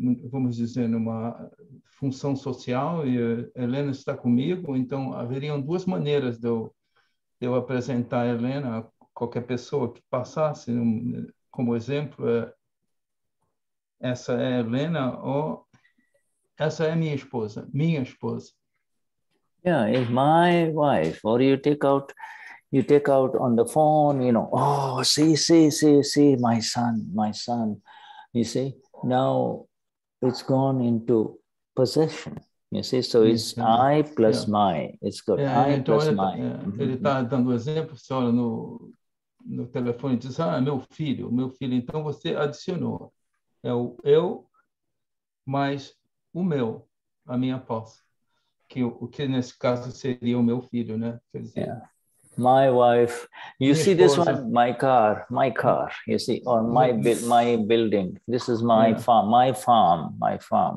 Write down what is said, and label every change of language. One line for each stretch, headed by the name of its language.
Portuguese: vamos dizer, numa função social, e Elena está comigo, então haveriam duas maneiras de eu apresentar a Elena a qualquer pessoa que passasse, como exemplo, essa é Elena ou essa é minha esposa.
English: Yeah, it's my wife, or you take out on the phone, you know, oh, see, my son, you see? Now it's gone into possession, you see. So it's I plus my, it's got I plus my.
Portuguese: Ele tá dando exemplo, você olha no telefone e diz, ah, meu filho. Então você adicionou, é o eu mais o meu, a minha posse. Que nesse caso seria o meu filho, né? Quer dizer,
English: my wife, you see this one, my car, you see, or my building, this is my farm,